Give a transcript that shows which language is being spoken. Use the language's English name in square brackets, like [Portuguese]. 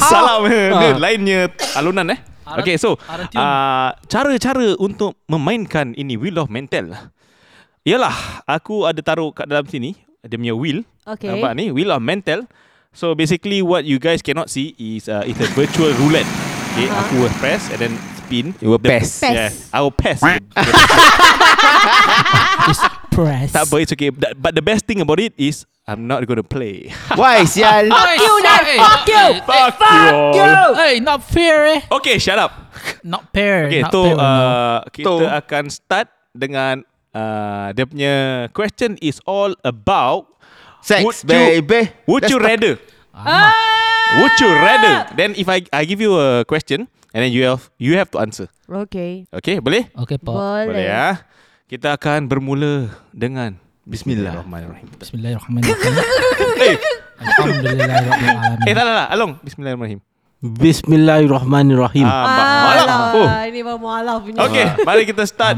[Malay] Salam, lainnya alunan eh. Okay, so cara-cara untuk memainkan ini Wheel of Mental. Yalah, aku ada taruh kat dalam sini dia punya wheel. [English] Okay. [Malay] Nampak ni, Wheel of Mental. [English] So basically what you guys cannot see is it's a virtual roulette. Okay, uh-huh. Aku will press and then spin. You will pass. Yeah, I will pass. Just press. [Malay] Tak apa, [English] it's okay. But the best thing about it is I'm not going to play. Why, sial? Fuck you, then. Fuck you. Fuck you. Hey, not fair eh. Okay, shut up. Not fair. Okay, not [Malay] so fair, kita akan start dengan dia punya [English] question is all about sex, would baby. Would you rather? Would you rather? Then if I give you a question and then you have to answer. Okay. [Malay] Okay, boleh? Okay, Pak. Boleh ya. Kita akan bermula dengan Bismillahirrahmanirrahim. Bismillahirrahmanirrahim. Eh, tak. Along, Bismillahirrahmanirrahim. Bismillahirrahmanirrahim. Ini baru mualaf punya. Okay, mari kita start.